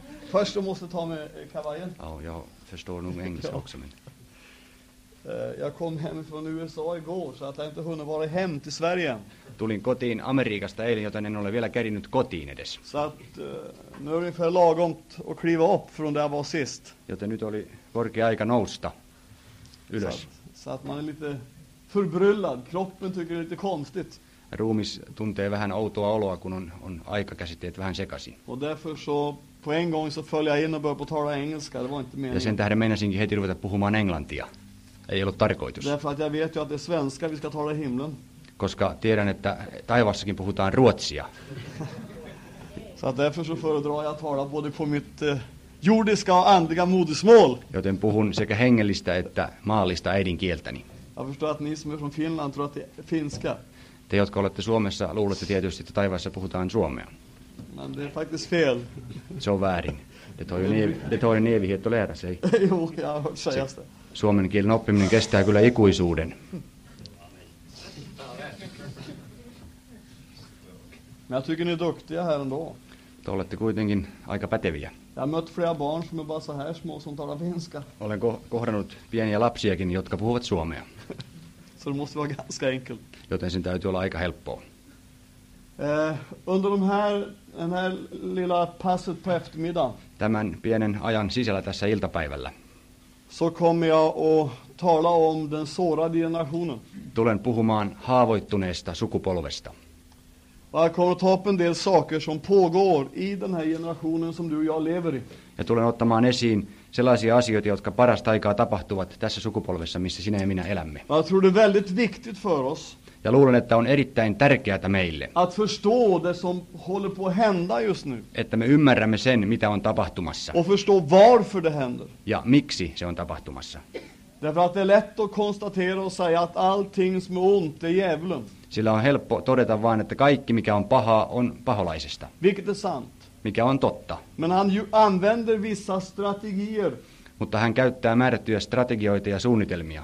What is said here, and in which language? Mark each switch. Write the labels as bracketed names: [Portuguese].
[Swedish] Först du måste ta med kavajen. Ja, jag förstår nog engelska också. Men... jag kom hem från USA igår, så att jag inte hunnit vara hem till Sverige. [Finnish] Tulin kotiin Amerikasta eilen, joten en ole vielä kerinnyt kotiin edes. [Swedish] Så att nu är det ungefär lagom att kliva upp från där jag var sist. [Finnish] Joten nyt oli korkea aika nousta ylös. [Swedish] Så att man är lite förbryllad. Kroppen tycker det är lite konstigt. [Finnish] Ruumis tuntee vähän outoa oloa, kun on aikakäsitteet vähän sekaisin. [Swedish] Och därför så... På en gång så följde jag in och började på tala engelska. Det var inte meningen. [Finnish] Ja sen tähden meinasinkin heti ruveta puhumaan englantia. Ei ollut tarkoitus. [Swedish] Därför att jag vet ju att det är svenska vi ska tala i himlen. [Finnish] Koska tiedän, että taivassakin puhutaan ruotsia. [Swedish] Så att därför så föredrar jag att tala både på mitt jordiska och andliga modersmål. [Finnish] Joten puhun sekä hengellistä että maallista äidinkieltäni. [Swedish] Jag förstår att ni som är från Finland tror att det är finska. [Finnish] Te, jotka olette Suomessa, luulette tietysti, että taivassa puhutaan suomea. [Swedish] Men det är faktiskt fel. Så värin. Det tar ju en evighet att lära sig. Jo, jag har hört sägas det. [Finnish] Suomen kielen oppiminen kestää kyllä ikuisuuden. [Swedish] Men jag tycker ni är duktiga här ändå. [Finnish] Te olette kuitenkin aika päteviä. [Swedish] Jag har mött flera barn som är bara så här små som talar finska. [Finnish] Olen kohdannut pieniä lapsiakin, jotka puhuvat suomea. [Swedish] Så det måste vara ganska enkelt. [Finnish] Joten sen täytyy olla aika helppoa. [Swedish] Under den här lilla passet på eftermiddagen. [Finnish] Tämän pienen ajan sisällä tässä iltapäivällä. [Swedish] Så kommer jag att tala om den sårade generationen. [Finnish] Tulen puhumaan haavoittuneesta sukupolvesta. [Swedish] Jag kommer att ta upp en del saker som pågår i den här generationen som du och jag lever i. [Finnish] Ja tulen ottamaan esiin sellaisia asioita, jotka parasta aikaa tapahtuvat tässä sukupolvessa, missä sinä ja minä elämme. [Swedish] Jag tror det är väldigt viktigt för oss. [Finnish] Ja luulen, että on erittäin tärkeää meille. [Swedish] Att förstå det som håller på att hända just nu. [Finnish] Että me ymmärrämme sen, mitä on tapahtumassa. [Swedish] Och förstå varför det händer. [Finnish] Ja miksi se on tapahtumassa. [Swedish] Därför att det är lätt att konstatera och säga att allting som är ont är djävulen. [Finnish] Sillä on helppo todeta vaan, että kaikki, mikä on pahaa, on paholaisesta. [Swedish] Vilket är sant. [Finnish] Mikä on totta. [Swedish] Men han använder vissa strategier. [Finnish] Mutta hän käyttää määrättyjä strategioita ja suunnitelmia.